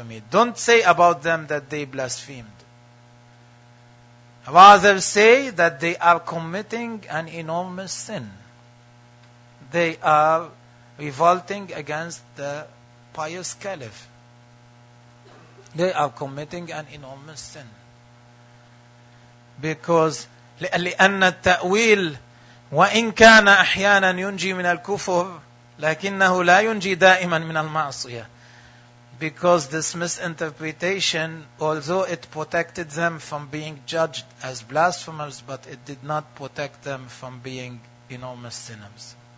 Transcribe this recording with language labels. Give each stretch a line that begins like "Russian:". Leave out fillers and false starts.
English: Don't say about them that they blasphemed. Rather say that they are committing an enormous sin. They are revolting against the pious caliph. They are committing an enormous sin.
Arabic: Because لِأَنَّ التَّأْوِيلِ وَإِنْ كَانَ أَحْيَانًا يُنْجِي مِنَ الْكُفُرِ لَكِنَّهُ لَا يُنْجِي دَائِمًا مِنَ الْمَعْصِيَةِ.
English: Because this misinterpretation, although it protected them from being judged as blasphemers, but it did not protect them from being enormous sinners.